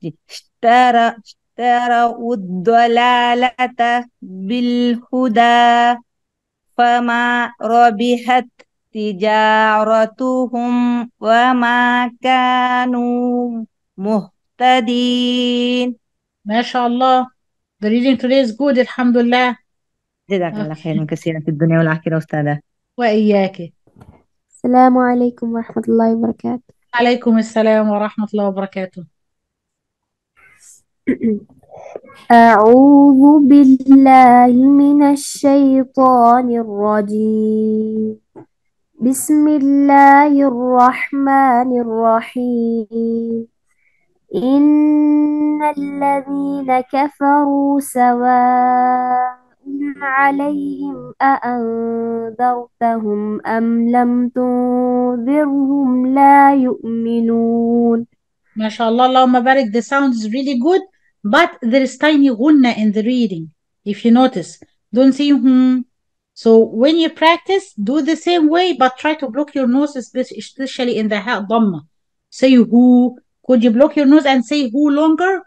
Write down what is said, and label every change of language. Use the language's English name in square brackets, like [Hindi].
[Arabic] اشتروا الضلالة بالهدى فما ربحت تجارتهم وما كانوا مهتدين ما شاء الله [English] the reading today is good [Arabic] الحمد لله جزاك الله [English] okay. [Arabic] خيرا كثيرا في الدنيا والآخرة أستاذة وإياك السلام عليكم ورحمة الله وبركاته عليكم السلام ورحمة الله وبركاته. أعوذ بالله من الشيطان الرجيم. بسم الله الرحمن الرحيم. إن الذين كفروا سواء عليهم أأنذرتهم أم لم تنذرهم لا يؤمنون. ما شاء الله، اللهم بارك. [English] The sound is really good, but there is tiny غنة in the reading. If you notice, don't say hmm. So when you practice, do the same way, but try to block your nose, especially in the ha dhamma. Say who. Could you block your nose and say who longer?